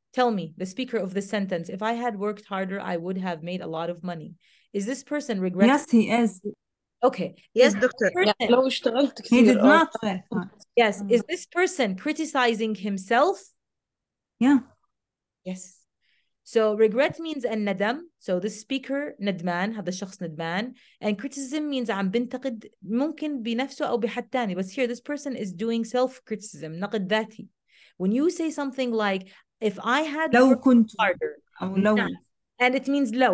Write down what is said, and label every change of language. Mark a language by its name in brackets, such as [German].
[English] Tell me, the speaker of the sentence. If I had worked harder, I would have made a lot of money. Is this person regretful? Yes, he is. Okay. Yes, doctor. He did not. Yes. Is this person criticizing himself? Yeah. Yes. So regret means al-nadam. So the speaker [Arabic] nadman, هذا الشخص nadman, [English] and criticism means [Arabic] عم بنتقد ممكن بنفسه أو بحد تاني. [English] But here, this person is doing self-criticism, نقد ذاتي. When you say something like, if I had [Arabic] لو كنت [English] harder, [Arabic] أو لو. [English] And it means لو.